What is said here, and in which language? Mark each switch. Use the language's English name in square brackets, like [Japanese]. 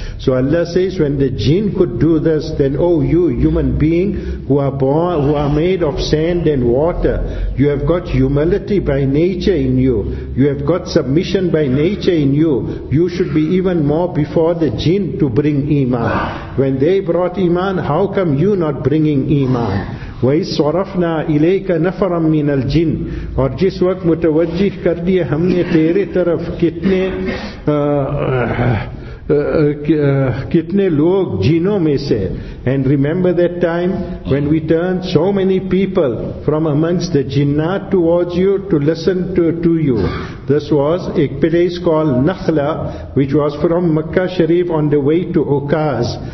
[English] So Allah says, when the jinn could do this, then oh, you human being who are made of sand and water, you have got humility by nature in you, you have got submission by nature in you, you should be even more before the jinn to bring iman. When they brought iman, how come you not bringing iman? [Arabic] وَإِذْ صَرَفْنَا إِلَيْكَ نَفَرًا مِّنَ الْجِنِّ [Urdu] اور جس وقت متوجہ کر دیا ہم نے تیرے طرف کتنے kitne log jino mein se. [English] And remember that time when we turned so many people from amongst the jinnat towards you to listen to you. This was a place called Nakhla, which was from Makkah Sharif on the way to Ukaz.